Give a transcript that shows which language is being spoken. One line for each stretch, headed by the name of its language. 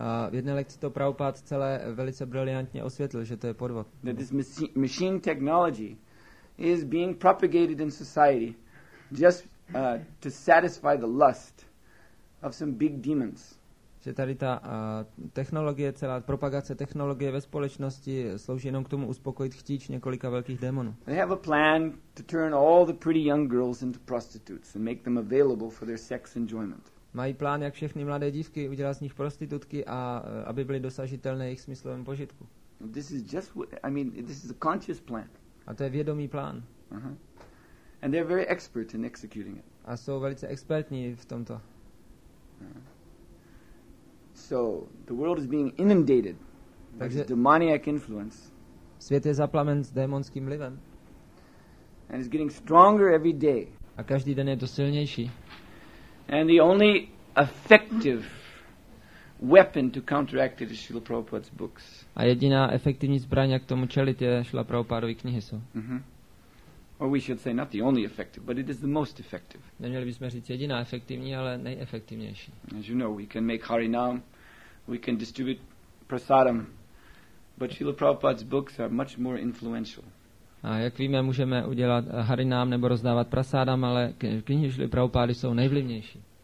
Czech: V jedné lekci to Prabhupád celé velice briljantně osvětlil, že to je podvod.
English: That this machine technology is being propagated in society just to satisfy the lust of some big demons.
Czech: Že tady ta technologie, celá propagace technologie ve společnosti slouží jenom k tomu uspokojit chtíč několika velkých démonů.
English: They have a plan to turn all the pretty young girls into prostitutes and make them available for their sex enjoyment.
Czech: Mají plán, jak všechny mladé dívky udělat z nich prostitutky a aby byly dosažitelné jejich smyslovém požitku.
English: This is just I mean this is a conscious plan.
Czech: A to je vědomý plán.
English: Uh-huh. And they're very expert in executing it.
Czech: A jsou velice expertní v tomto.
English: So the world is being inundated with this demoniac influence.
Czech: Svět je zaplamen s démonským vlivem.
English: And it's getting stronger every day.
Czech: A každý den je to silnější.
English: And the only effective weapon to counteract it is Srila Prabhupada's books.
Czech: A jediná efektivní zbraň, jak tomu čelit, je Srila Prabhupádovy knihy jsou.
English: Or we should say not the only effective, but it is the most effective.
Czech: Neměli bychom říct jediná efektivní, ale nejefektivnější.
English: As you know, we can make harinam, we can distribute prasadam, but Srila Prabhupada's books are much more influential.
Czech: A jak víme, můžeme udělat harinám nebo rozdávat prasádám, ale knihy Šrily Prabhupády jsou nejvlivnější.